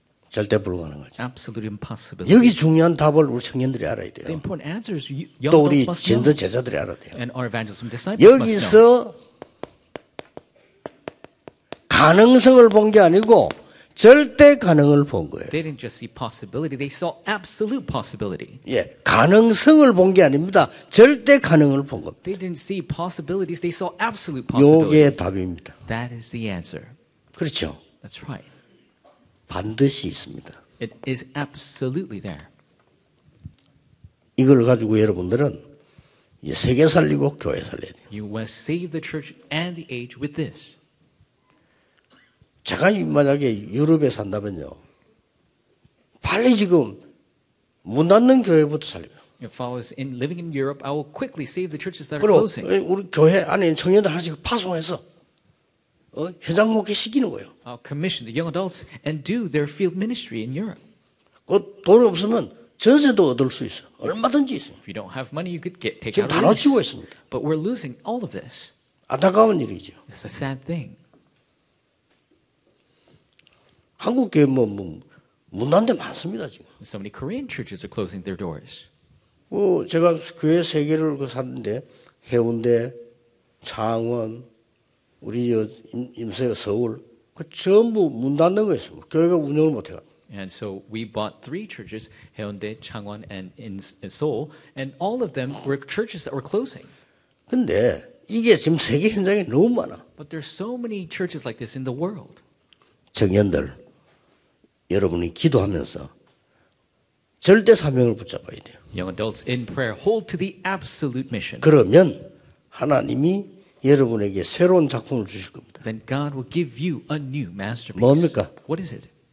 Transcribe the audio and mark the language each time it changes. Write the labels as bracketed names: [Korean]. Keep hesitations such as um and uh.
[Korean] 절대 불가능하죠. 여기 중요한 답을 우리 청년들이 알아야 돼요. [English] The important answers, young [Korean] 또 우리 진도 제자들이 알아야 돼요. [English] And our evangelism disciples [Korean] 여기서 [English] must know. [Korean] 가능성을 본 게 아니고 절대 가능을 본 거예요. [English] They didn't just see possibility, they saw absolute possibility. [Korean] 예, 가능성을 본 게 아닙니다. 절대 가능을 본 겁니다. [English] They didn't see possibilities, they saw absolute possibility. [Korean] 이게 답입니다. [English] That is the answer. [Korean] 그렇죠. [English] That's right. [Korean] 반드시 있습니다. [English] It is absolutely there. [Korean] 이걸 가지고 여러분들은 이 세계 살리고 교회 살려야 돼요. [English] You must save the church and the age with this. [Korean] 제가 만약에 유럽에 산다면요. 빨리 지금 문 닫는 교회부터 살려요. [English] If I was in, living in Europe, I will quickly save the churches that are closing. [Korean] 우리 교회 안에 청년들 하나씩 파송해서 어? 현장 목회 시키는 거예요. [English] I'll commission the young adults and do their field ministry in Europe. [Korean] 그돈 없으면 전세도 얻을 수 있어. 얼마든지 있어. [English] If you don't have money, you could get take out loans. [Korean] 지금 다 놓치고 있습니다. [English] But we're losing all of this. [Korean] 안타까운 일이죠. [English] It's a sad thing. [Korean] 한국 교회 뭐, 뭐 문난데 많습니다 지금. [English] So many Korean churches are closing their doors. [Korean] 뭐 제가 교회 세 개를 그 샀는데 해운대, 창원, 우리 임세 서울 그 전부 문 닫는 거 있어요. 교회가 운영을 못 해요. [English] And so we bought three churches, Haeundae, Changwon, and in Seoul, and all of them were churches that were closing. [Korean] 근데 이게 지금 세계 현장에 너무 많아. [English] But there's so many churches like this in the world. [Korean] 청년들. 여러분이 기도하면서 절대 사명을 붙잡아야 돼요. [English] Young adults in prayer hold to the absolute mission. [Korean] 그러면 하나님이 여러분에게 새로운 작품을 주실 겁니다. [English] Then God will give you a new masterpiece. [Korean] 뭡니까? [English] What is it?